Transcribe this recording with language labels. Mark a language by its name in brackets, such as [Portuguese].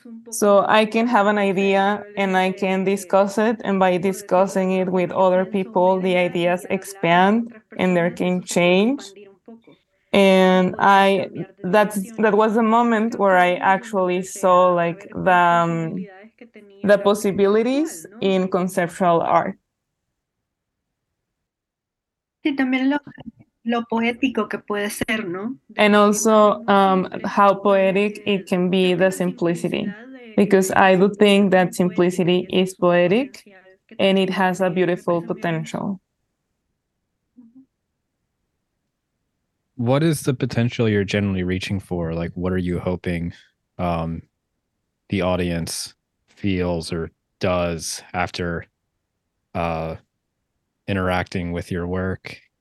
[English] So I can have an idea and I can discuss it, and by discussing it with other people, the ideas expand and there can change. And that was the moment where I actually saw the possibilities in conceptual art. [Spanish] Sí, también lo poético que puede ser, ¿no? [English] And also how poetic it can be, the simplicity, because I do think that simplicity is poetic and it has a beautiful potential. What is the potential you're generally reaching for? Like, what are you hoping the audience feels or does after interacting with your work?